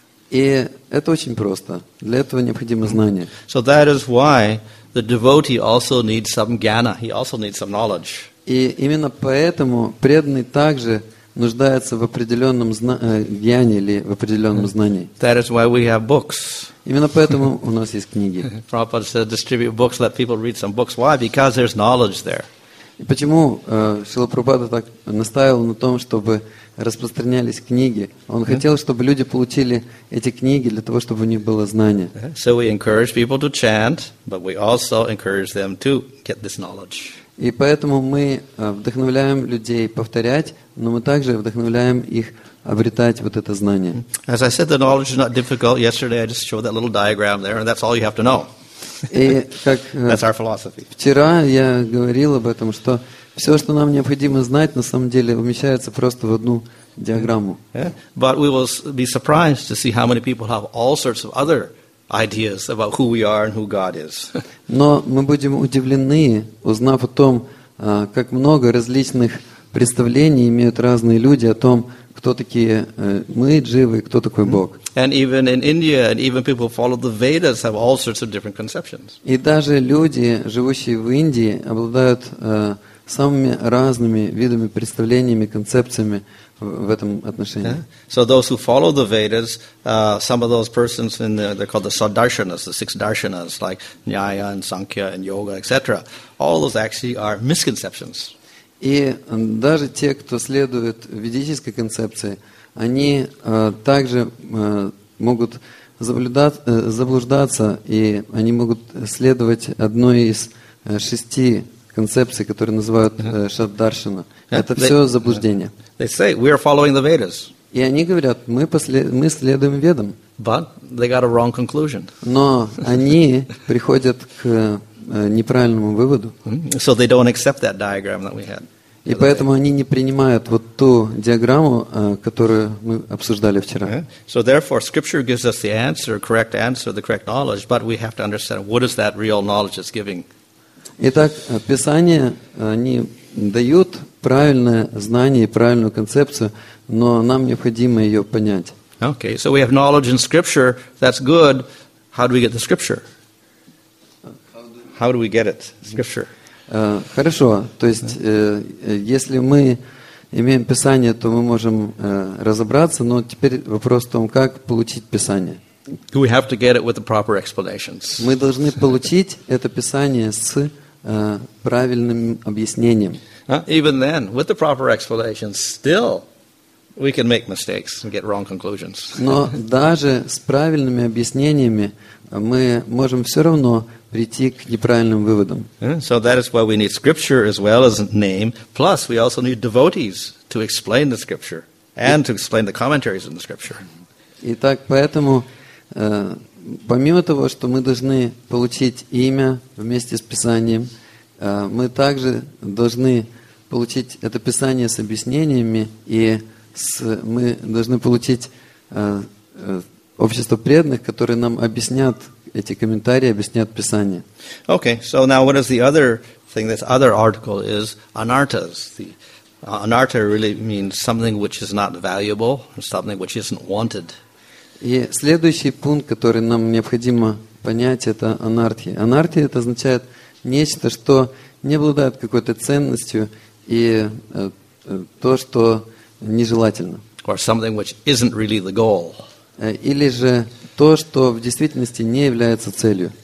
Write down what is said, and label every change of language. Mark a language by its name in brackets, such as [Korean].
[Russian] И это очень просто. Для этого необходимо знание. Mm-hmm. [English] So that is why the devotee also needs some jnana. He also needs some knowledge. [Russian] И именно поэтому преданный также нуждается в определенном знании или в определенном знании. [English] That is why we have books. [Russian] Именно поэтому у нас есть книги. [English] Prabhupada said, distribute books, let people read some books. Why? Because there's knowledge there. [Russian] И почему Шрила Прабхупада так настаивал на том, чтобы распространялись книги? Он хотел, чтобы люди получили эти книги для того, чтобы у них было знание. [English] So we encourage people to chant, but we also encourage them to get this knowledge. [Russian] И поэтому мы вдохновляем людей повторять, но мы также вдохновляем их обретать вот это знание. [English] As I said, the knowledge is not difficult. Yesterday I just showed that little diagram there, and that's all you have to know. That's our philosophy. [Russian] Вчера я говорил об этом, что все, что нам необходимо знать, на самом деле умещается просто в одну диаграмму. [English] But we will be surprised to see how many people have all sorts of other ideas about who we are and who God is. [Russian] Но мы будем удивлены, узнав о том, как много различных представления имеют разные люди о том, кто такие мы, дживы, кто такой Бог. [English] And even in India, and even people who follow the Vedas have all sorts of different conceptions. [Russian] И даже люди, живущие в Индии, обладают самыми разными видами представлениями, концепциями в этом отношении. Yeah. [English] So those who follow the Vedas, some of those persons in the, they're called the Sadarshanas, the six darshanas, like Nyaya and Sankhya and Yoga, etc. All those actually are misconceptions. [Russian] И даже те, кто следует ведической концепции, они также могут заблуждаться, и они могут следовать одной из шести концепций, которые называют Шаддаршина. Это все заблуждение. [English] They say, we are following the Vedas. [Russian] И они говорят, мы следуем Ведам. [English] But they got a wrong conclusion. [Russian] Но они приходят к неправильному выводу. [English] So they don't accept that diagram that we had. [Russian] И поэтому они не принимают вот ту диаграмму, которую мы обсуждали вчера. [English] So therefore, Scripture gives us the answer, correct answer, the correct knowledge, but we have to understand what is that real knowledge it's giving. [Russian] Итак, Писание, они дают правильное знание и правильную концепцию, но нам необходимо ее понять. [English] Okay, so we have knowledge in Scripture, that's good. How do we get the Scripture? How do we get it, Scripture? [Russian] Хорошо, то есть если мы имеем Писание, то мы можем разобраться, но теперь вопрос в том, как получить Писание. [English] We have to get it with the proper explanations. [Russian] Мы должны получить это Писание с правильным объяснением. [English] Even then, with the proper explanations, still we can make mistakes and get wrong conclusions. [Russian] Но даже с правильными объяснениями мы можем все равно прийти к неправильным выводам. [English] So that is why we need scripture as well as name. Plus, we also need devotees to explain the scripture and to explain the commentaries in the scripture. [Russian] Итак, поэтому, помимо того, что мы должны получить имя вместе с Писанием, мы также должны получить это Писание с объяснениями, и мы должны получить общество преданных, которые нам объяснят эти комментарии, объяснят Писание. [English] Okay, so now what is the other thing? This other article is anartas. The anarta really means something which is not valuable, something which isn't wanted. [Russian] И следующий пункт, который нам необходимо понять, это анартия. Анартия — это означает нечто, что не обладает какой-то ценностью и то, что нежелательно. [English] Or something which isn't really the goal. Или же то, что в действительности не является целью.